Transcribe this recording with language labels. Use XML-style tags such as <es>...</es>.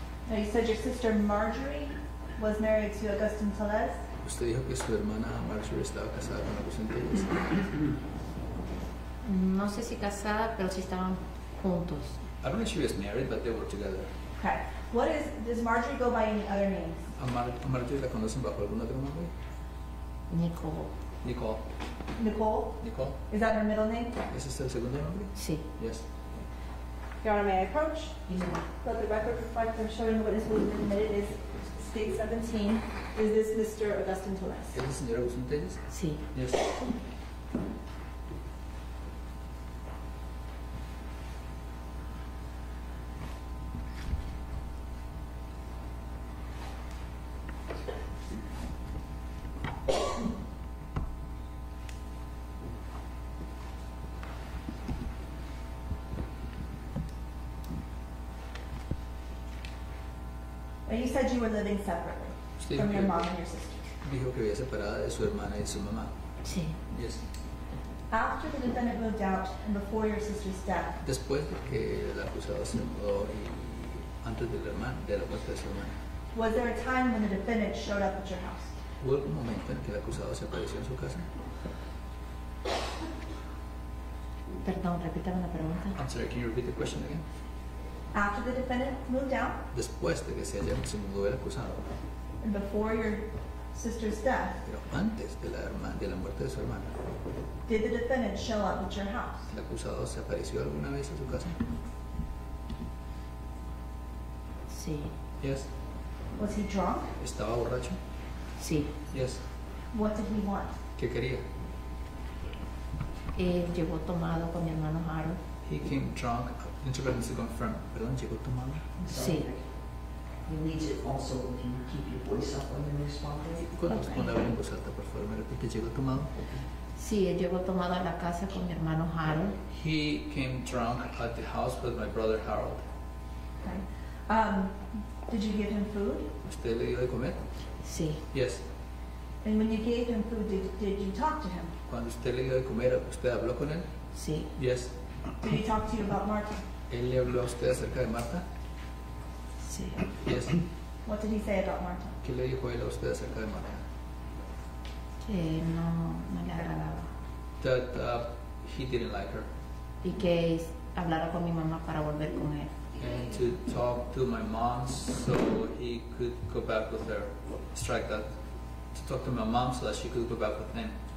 <en>Now you said your sister Marjorie was married to Agustin Telles?</en> <es>Usted dijo que su hermana Marjorie estaba casada con Agustin Telles. No sé si casada, pero sí estaban juntos.</es> <en>I don't know if she was married, but they were together. Okay. What is, does Marjorie go by any other names?</en> <es>¿A Marjorie la conocen bajo algún otro nombre? Nicole. Nicole. Nicole? Nicole.</es> <en>Is that her middle name?</en> <es>¿Es este el segundo nombre? Sí.</es> <en>Yes. Your Honor, may I approach? Yes. Let the record reflect I'm showing the witness who has been admitted is state 17. Is this Mr. Agustín Telles?</en> <es>¿Es el señor Agustín Telles? Sí.</es> <en>Yes. You said you were living separately from your mom and your sister.</en> <es>Dijo que vivía separada de su hermana y su mamá. Sí.</es> <en>Yes. After the defendant moved out and before your sister's death.</en> <es>Después de que el acusado se mudó y antes de la hermana, de la muerte de su hermana.</es> <en>Was there a time when the defendant showed up at your house?</en> <es>¿Hubo algún momento en que el acusado se apareció en su casa? Perdón, repítame la pregunta.</es> <en>I'm sorry, can you repeat the question again? After the defendant moved out?</en> <es>Después de que se mudó el acusado.</es> <en>And before your sister's death?</en> <es>Pero antes de la muerte de su hermana.</es> <en>Did the defendant show up at your house?</en> <es>¿El acusado se apareció alguna vez a su casa? Sí.</es> <en>Yes. Was he drunk?</en> <es>¿Estaba borracho? Sí.</es> <en>Yes. What did he want?</en> <es>¿Qué quería? Llegó tomado con mi hermano Harold.</es> <en>He came drunk. Interpret to confirm.</en> <es>Perdón, llegó tomado. Sí.</es> <en>He needs it also. Can you keep your voice up when you respond?</en> <es>¿Cuándo responde en voz alta, por favor? ¿Repite, llegó tomado? Sí, llegó tomado a la casa con mi hermano Harold.</es> <en>He came drunk at the house with my brother Harold. Okay. Did you give him food?</en> <es>¿Usted le dio de comer? Sí.</es> <en>Yes. And when you gave him food, did you talk to him?</en> <es>Cuando usted le dio de comer, ¿usted habló con él? Sí.</es> <en>Yes. Did he talk to you about Marta?</en> <es>¿Él le habló a usted acerca de Marta? Sí.</es> <en>Yes. What did he say about Marta?</en> <es>¿Qué le dijo él a usted acerca de Marta? Que no le agradaba.</es> <en>That he didn't like her.</en> <es>Y que hablara con mi mamá para volver con él.</es> <en>And to talk to my mom so he could go back with her. Strike that. To talk to my mom so that she could go back with him.</en>